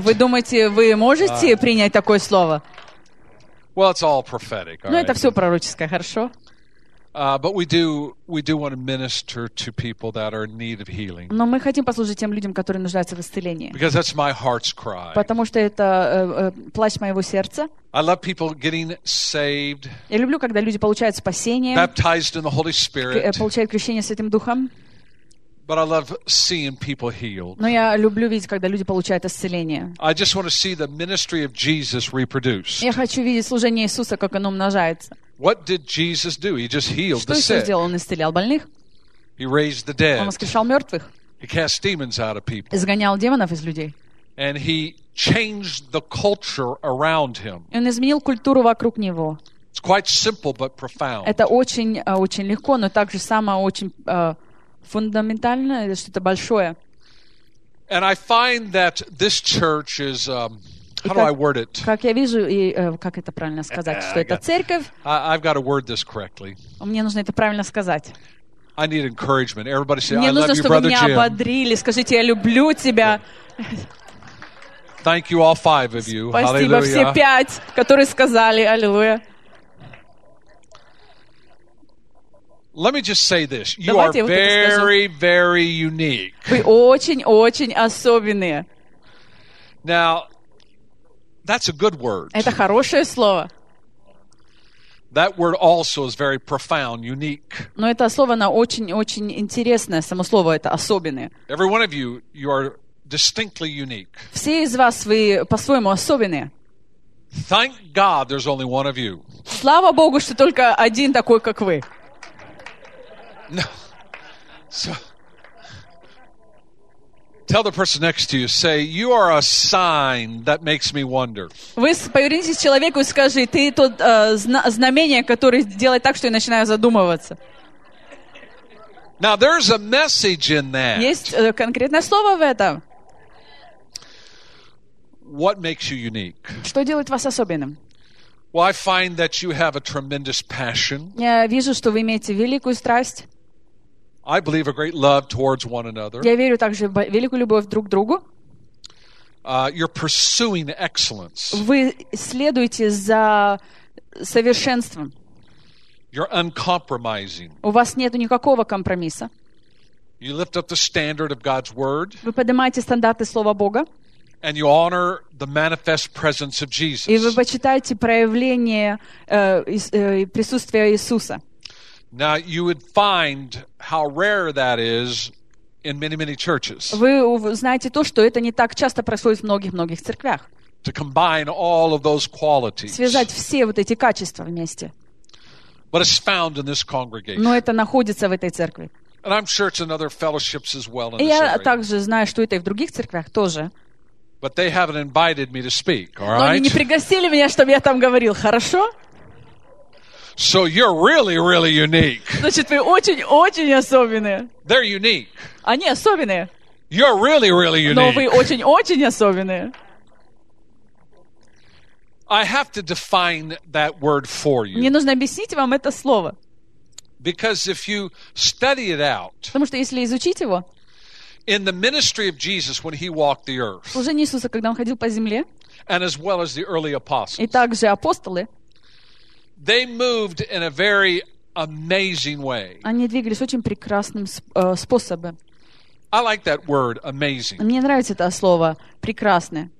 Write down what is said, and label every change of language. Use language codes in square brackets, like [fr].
[ru] Вы думаете, вы можете принять такое слово? [en] Well, it's all prophetic. [ru] Ну, это все пророческое, хорошо? [en] But we do want to minister to people that are in need of healing. [ru] Но мы хотим послужить тем людям, которые нуждаются в исцелении. [en] Because that's my heart's cry. [ru] Потому что это плач моего сердца. [en] I love people getting saved. [ru] Я люблю, когда люди получают спасение. [en] Baptized in the Holy Spirit. [ru] Получают крещение Святым Духом. [en] But I love seeing people healed. [ru] Но я люблю видеть, когда люди получают исцеление. [en] I just want to see the ministry of Jesus reproduced. [ru] Я хочу видеть служение Иисуса, как оно умножается. [en] What did Jesus do? He just healed the sick. [ru] Что Иисус сделал? Он исцелял больных. [en] He raised the dead. [ru] Он воскрешал мертвых. [en] He cast demons out of people. [ru] Изгонял демонов из людей. [en] And he changed the culture around him. [ru] Он изменил культуру вокруг него. [en] It's quite simple but profound. [ru] Это очень очень легко, но также само очень фундаментально, это что-то большое. [en] And I find that this church is, how do I word it? [ru] Как я вижу, и как это правильно сказать, что это церковь? [en] I've got to word this correctly. [ru] Мне нужно это правильно сказать. [en] I need encouragement. Everybody say, [ru] мне [en] I [ru] нужно, [en] love you, brother [ru] Мне нужно, чтобы меня ободрили. Скажите, я люблю тебя. [en] Thank you, all five of you. [ru] Спасибо, [en] Hallelujah. [ru] Все пять, которые сказали, аллилуйя. [en] Let me just say this. You are very, very unique. [ru] Вы очень-очень особенные. [en] Now, that's a good word. [ru] Это хорошее слово. [en] That word also is very profound, unique. [ru] Но это слово, оно очень-очень интересное. Само слово это особенное. [en] Every one of you are distinctly unique. [ru] Все из вас, вы по-своему особенные. [en] Thank God there's only one of you. [ru] Слава Богу, что только один такой, как вы. [en] No. So, tell the person next to you, say, you are a sign that makes me wonder. [ru] Вы повернитесь к человеку и скажи, ты тот знамение, которое делает так, что я начинаю задумываться. [en] Now, there's a message in that. [ru] Есть конкретное слово в этом. [en] What makes you unique? [ru] Что делает вас особенным? [en] Well, I find that you have a tremendous passion. [ru] Я вижу, что вы имеете великую страсть. [en] I believe a great love towards one another. [ru] Я верю также в великую любовь друг к другу. [en] You're pursuing excellence. [ru] Вы следуете за совершенством. [en] You're uncompromising. [ru] У вас нету никакого компромисса. [en] You lift up the standard of God's word. [ru] Вы поднимаете стандарты слова Бога. [en] And you honor the manifest presence of Jesus. [ru] И вы почитаете проявление присутствия Иисуса. [en] Now you would find how rare that is in many, many churches. [ru] Вы знаете то, что это не так часто происходит в многих-многих церквях. [en] To combine all of those qualities. [ru] Связать все вот эти качества вместе. [en] But it's found in this congregation. [ru] Но это находится в этой церкви. [en] And I'm sure it's in other fellowships as well. [ru] И я также знаю, что это и в других церквях тоже. [en] But they haven't invited me to speak, all right? [ru] Но они не пригласили меня, чтобы я там говорил, хорошо? [en] So you're really, really unique. [ru] Значит, вы очень-очень особенные. [en] They're unique. [ru] Они особенные. [en] You're really, really unique. [ru] Но вы очень-очень особенные. [en] I have to define that word for you. [ru] Мне нужно объяснить вам это слово. [en] Because if you study it out, [ru] потому что если изучить его, [en] in the ministry of Jesus when he walked the earth, [ru] служение Иисуса, когда он ходил по земле, [en] and as well as the early apostles, [ru] и также апостолы, [en] they moved in a very amazing way. [ru] Они двигались очень прекрасным способом. [en] I like that word, amazing. [ru] Мне нравится это слово, прекрасное.